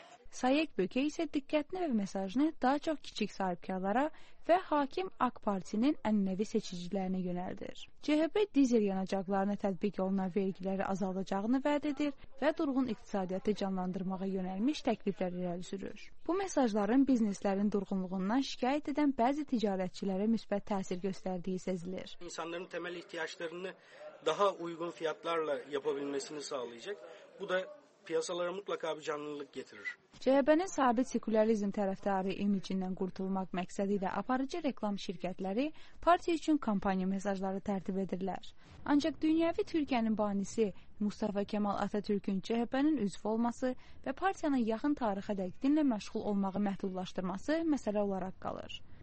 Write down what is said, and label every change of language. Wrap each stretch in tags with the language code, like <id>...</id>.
<az>Sayek Böke isə diqqətini və mesajını daha çox kiçik sahibkarlara və hakim AK Parti'nin ənənəvi seçicilərinə yönəldir. CHP dizel yanacaqlarına tətbiq olunan vergiləri azaldacağını vəd edir və durğun iqtisadiyyatı canlandırmağa yönəlmiş təklifləri irəli sürür. Bu mesajların bizneslərin durğunluğundan şikayət edən bəzi ticarətçilərə müsbət təsir göstərdiyi sezilir.</az> <tr>İnsanların təməl ehtiyaclarını daha uygun fiyatlarla yapabilməsini sağlayacak. Bu da piyasalara mutlaka bir canlılık getirir.</tr> <az>CHP-nin sabit sekülerizm tərəfdarı imicindən qurtulmaq məqsədilə aparıcı reklam şirkətləri partiya üçün kampaniya mesajları tərtib edirlər. Ancaq dünyəvi Türkiyənin banisi Mustafa Kemal Atatürk'ün CHP-nin üzv olması və partiyanın yaxın tarixə dək dinlə məşğul olmağı məhdudlaşdırması məsələ olaraq qalır.</az>